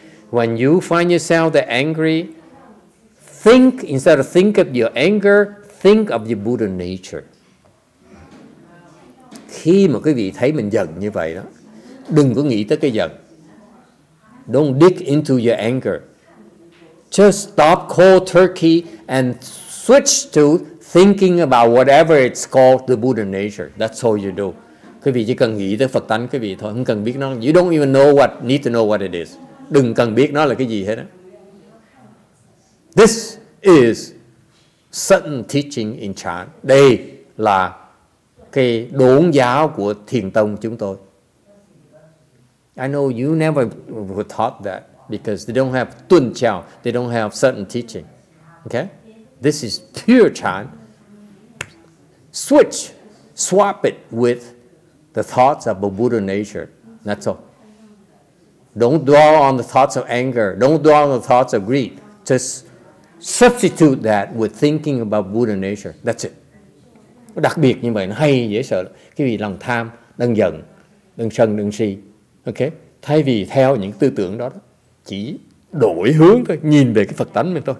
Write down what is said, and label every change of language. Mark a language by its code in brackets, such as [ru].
[en] When you find yourself that angry, think, instead of think of your anger, think of your Buddha nature. [vi] Khi mà quý vị thấy mình giận như vậy đó, đừng có nghĩ tới cái giận. [en] Don't dig into your anger. Just stop cold turkey and switch to thinking about whatever it's called, the Buddha nature. That's all you do. [vi] Quý vị chỉ cần nghĩ tới Phật tánh quý vị thôi, không cần biết nó. [en] You don't even know what, need to know what it is. [vi] Đừng cần biết nó là cái gì hết á. [en] This is sudden teaching in Chan. [vi] Đây là cái đốn giáo của thiền tông chúng tôi. [en] I know you never were taught that because they don't have tuân chào, they don't have certain teaching. Okay? This is pure Chan. Switch, swap it with the thoughts of a Buddha nature. That's all. Don't dwell on the thoughts of anger. Don't dwell on the thoughts of greed. Just substitute that with thinking about Buddha nature. That's it. [vi] Đặc biệt như vậy, nó hay, dễ sợ. Cái vì lòng tham, đừng giận, đừng sân, đừng si. Okay? Thay vì theo những tư tưởng đó, chỉ đổi hướng thôi, nhìn về cái Phật tánh mình thôi.